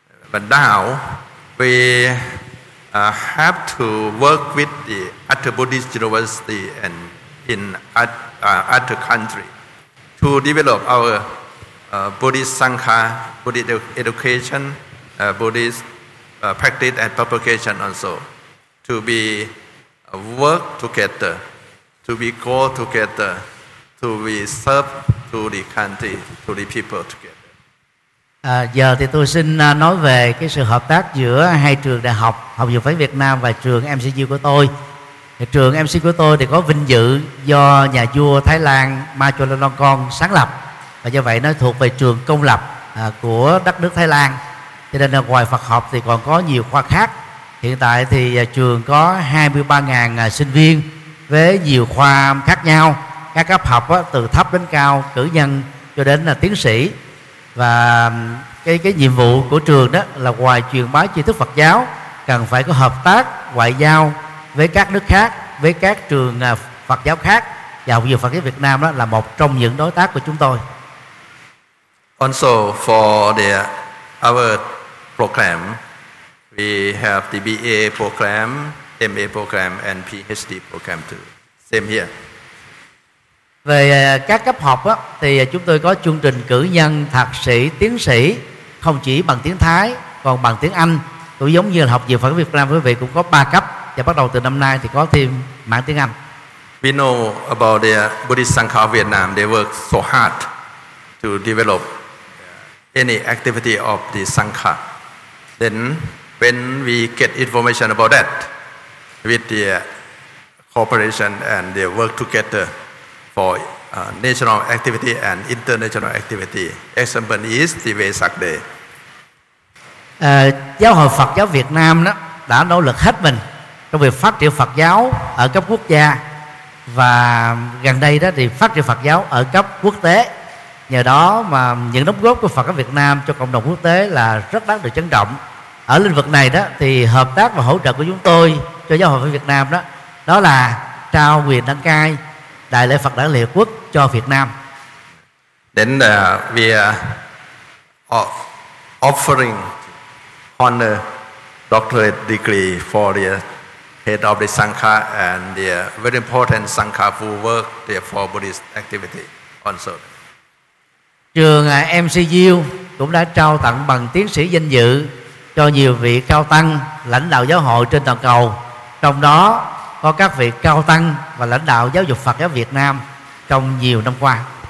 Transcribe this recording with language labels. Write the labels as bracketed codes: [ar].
[en] But now we have to work with the other Buddhist university and in other country to develop our Buddhist Sangha, Buddhist education, Buddhist practice and propagation also, to be work together, to be go together, to be serve to the country, to the people together. [vi] Giờ thì tôi xin nói về cái sự hợp tác giữa hai trường đại học, Học viện Phật Việt Nam và trường MCU của tôi. Trường MCU của tôi thì có vinh dự do nhà vua Thái Lan Ma Chulalongkorn sáng lập, và do vậy nó thuộc về trường công lập của đất nước Thái Lan. Cho nên là ngoài Phật học thì còn có nhiều khoa khác. Hiện tại thì trường có 23,000 sinh viên với nhiều khoa khác nhau, các cấp học từ thấp đến cao, cử nhân cho đến là tiến sĩ. Và cái nhiệm vụ của trường đó là ngoài truyền bá tri thức Phật giáo, cần phải có hợp tác ngoại giao với các nước khác, với các trường Phật giáo khác, và Học viện Phật giáo Việt Nam đó là một trong những đối tác của chúng tôi. [en] Also for the our program, we have the BA program, MA program and PhD program too. Same here. [vi] Về các cấp học đó, thì chúng tôi có chương trình cử nhân, thạc sĩ, tiến sĩ, không chỉ bằng tiếng Thái còn bằng tiếng Anh. Cũng giống như là Học viện Phật giáo Việt Nam, quý vị cũng có 3 cấp, và bắt đầu từ năm nay thì có thêm mảng tiếng Anh. [en] We know about the Buddhist Sangha of Vietnam. They work so hard to develop any activity of the Sangha. Then when we get information about that with the cooperation and they work together for national activity and international activity. Example is the Vesak Day. [vi] Giáo hội Phật giáo Việt Nam đó đã nỗ lực hết mình trong việc phát triển Phật giáo ở cấp quốc gia, và gần đây đó thì phát triển Phật giáo ở cấp quốc tế. Nhờ đó mà những đóng góp của Phật giáo Việt Nam cho cộng đồng quốc tế là rất đáng được trân trọng. Ở lĩnh vực này đó thì hợp tác và hỗ trợ của chúng tôi cho giáo hội Việt Nam đó là trao quyền đăng cai đại lễ Phật Đản Liên Hợp Quốc cho Việt Nam. [en] Then we are offering honor doctorate degree for the head of the Sangha and the very important Sangha who work there for Buddhist activity also. [vi] Trường MCU cũng đã trao tặng bằng tiến sĩ danh dự cho nhiều vị cao tăng lãnh đạo giáo hội trên toàn cầu, trong đó có các vị cao tăng và lãnh đạo giáo dục Phật giáo Việt Nam trong nhiều năm qua.